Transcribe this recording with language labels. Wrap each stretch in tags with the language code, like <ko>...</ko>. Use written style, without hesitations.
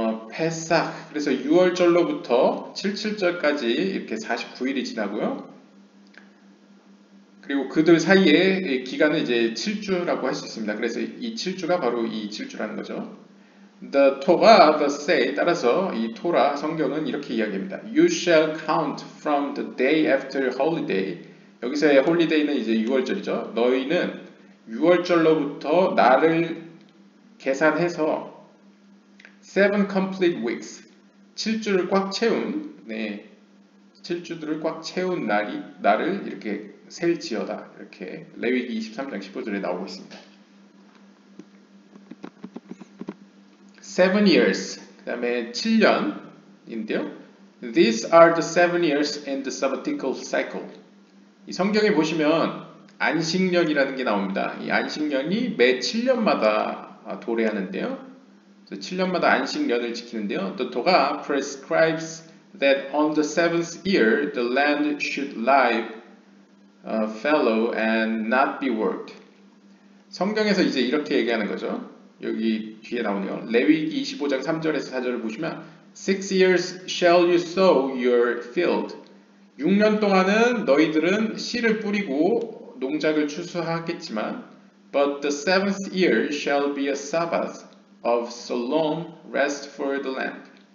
<ko>페삭. 그래서 유월절로부터 칠칠절까지 이렇게 49일이 지나고요. 그리고 그들 사이에 기간은 이제 7주라고 할수 있습니다. 그래서 이 7주가 바로 이 7주라는 거죠.</ko> <en>The Torah, the say,</en> <ko>따라서 이 토라, 성경은 이렇게 이야기합니다.</ko> <en>You shall count from the day after holiday.</en> <ko>여기서의 holiday는 이제 유월절이죠. 너희는 유월절로부터 날을 계산해서</ko> <en>7 complete weeks,</en> <ko>7주를 꽉 채운, 네, 7주들을 꽉 채운 날을 이렇게 셀지어다. 이렇게 레위기 23장 15절에 나오고 있습니다.</ko> <en>7 years,</en> <ko>그 다음에 7년인데요.</ko> <en>These are the 7 years in the sabbatical cycle.</en> <ko>이 성경에 보시면 안식년이라는 게 나옵니다. 이 안식년이 매 7년마다 도래하는데요. 그래서 7년마다 안식년을 지키는데요.</ko> <en>The Torah prescribes that on the seventh year the land should lie fallow and not be worked.</en> <ko>성경에서 이제 이렇게 얘기하는 거죠. 여기 뒤에 나오네요. 레위기 25장 3절에서 4절을 보시면</ko> <en>Six years shall you sow your field.</en> <ko>6년 동안은 너희들은 씨를 뿌리고 농작을 추수하겠지만</ko> <en>But the seventh year shall be a Sabbath of solemn rest for the land.</en>